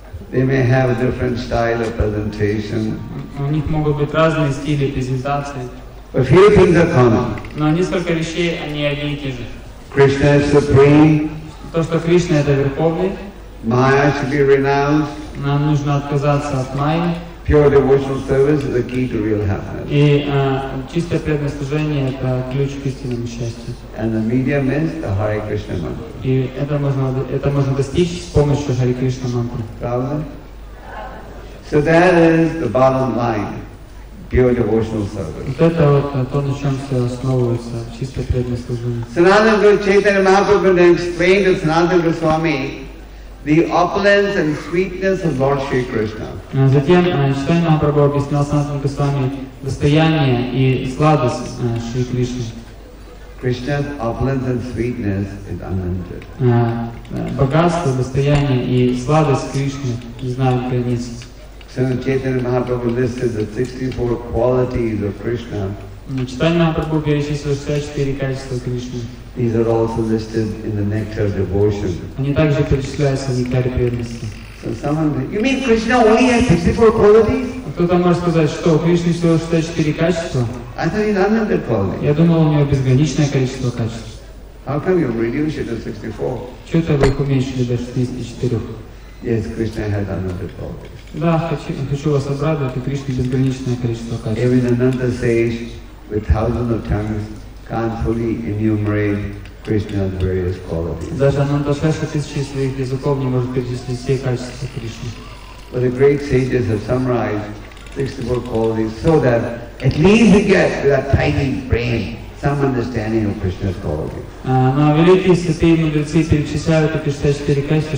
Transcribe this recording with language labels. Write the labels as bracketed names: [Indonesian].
[English] They may have a different style of presentation. [Russian] У них могут быть разные стили презентации. [English] But few things are common. [Russian] Но несколько вещей они одни и те же. [English] Krishna is supreme. [Russian] То, что Кришна это верховный. [English] Майя should be renounced. [Russian] Нам нужно отказаться от майи. [English] Pure devotional service is the key to real happiness. [Russian] И чистое преданное служение это ключ к истинному счастью. [English] And the medium is the Hare Krishna mantra. [Russian] И это можно достичь с помощью Hare Krishna mantra. [English] So that is the bottom line. Pure devotional service. [Russian] Это вот то, на чем все основывается, чистое преданное служение. [English] Sanatana Guru Chaitanya Mahaprabhu explained to Sanatana Goswami the opulence and sweetness of Lord Shri Krishna. [Russian] Затем Чайтанья Махапрабху объяснял Санатану Госвами достояние и сладость Шри Кришны. [English] Krishna's opulence and sweetness is unlimited. [Russian] Богатство, достояние и сладость Кришны не знают границ. [English] So Chaitanya Mahaprabhu listed the 64 qualities of Krishna. [Russian] Чайтанья Махапрабху перечислил 64 качества Кришны. [English] These are also listed in the nectar of devotion. [Russian] Они также перечисляются в нектаре преданности. [English] So someone, you mean Krishna only has 64 qualities? [Russian] Кто-то может сказать, что у Кришны всего 64 качества? [English] I thought he's unlimited qualities. [Russian] Я думал, у него безграничное количество качеств. [English] How come you reduce it to 64? [Russian] Чего-то вы их уменьшили до 64? [English] Yes, Krishna has unlimited qualities. [Russian] Да, хочу вас обрадовать, у Кришны безграничное количество качеств. [English] Even another sage with thousands of tongues can't fully enumerate Krishna's various qualities. But the great sages have summarized 64 qualities so that at least we get with our tiny brain some understanding of Krishna's qualities.